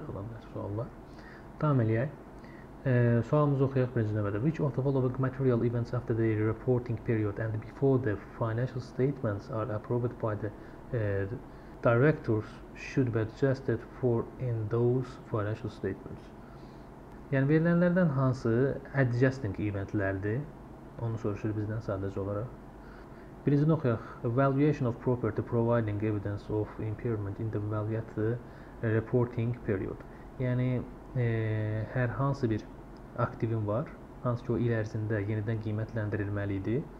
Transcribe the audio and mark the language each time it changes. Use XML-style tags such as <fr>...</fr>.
<az>olanlar suallar. Tam eləyək. Sualımızı oxuyaq birinci növbədə.</az> <en>Which of the following material events after the reporting period and before the financial statements are approved by the directors should be adjusted for in those financial statements.</en> <az>Yəni verilənlərdən hansı adjusting eventlərdir? Onu soruşur bizdən sadəcə olaraq. Birincini oxuyaq.</az> <en>Valuation of property providing evidence of impairment in the value at the reporting period.</en> <az>Yəni hər hansı bir aktivin var, hansı ki o il ərzində yenidən qiymətləndirilməli idi.</az>